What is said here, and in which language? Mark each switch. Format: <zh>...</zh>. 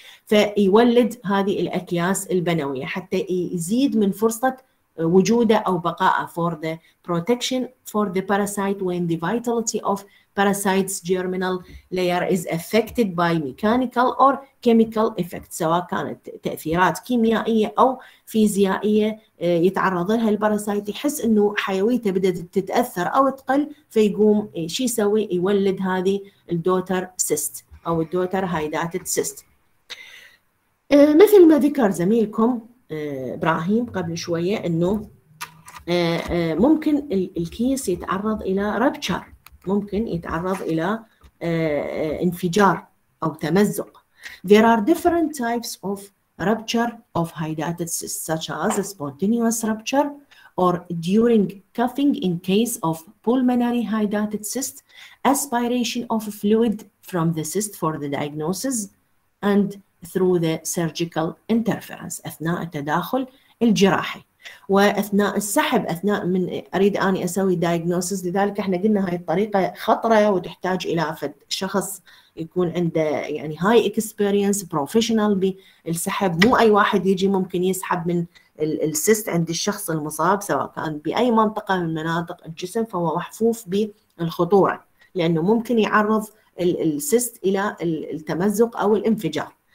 <ar>فيولد هذه الاكياس البنويه حتى يزيد من فرصه وجوده او بقائه</ar> <en>for the protection for the parasite, when the vitality of parasites germinal layer is affected by mechanical or chemical effects،</en> <ar>سواء كانت تأثيرات كيميائية أو فيزيائية يتعرض لها الباراسايت، يحس أنه حيويته بدأت تتأثر أو تقل، فيقوم شو يسوي؟ يولد هذه الدوتر سيست أو الدوتر هايداتد سيست. مثل ما ذكر زميلكم إبراهيم قبل شوية أنه ممكن الكيس يتعرض إلى رابتشر، ممكن يتعرض إلى انفجار أو تمزق.</ar> <en>There are different types of rupture of hydatid cysts such as spontaneous rupture or during coughing in case of pulmonary hydatid cyst, aspiration of fluid from the cyst for the diagnosis and through the surgical interference</en> <ar>أثناء التداخل الجراحي. واثناء السحب، اثناء من اريد اني اسوي دايجنوستس، لذلك احنا قلنا هاي الطريقه خطره وتحتاج الى فد شخص يكون عنده يعني هاي</ar> <en>experience professional</en> <ar>بالسحب، مو اي واحد يجي ممكن يسحب من السيست عند الشخص المصاب سواء كان باي منطقه من مناطق الجسم فهو محفوف بالخطوره، لانه ممكن يعرض السيست الى التمزق او الانفجار.</ar>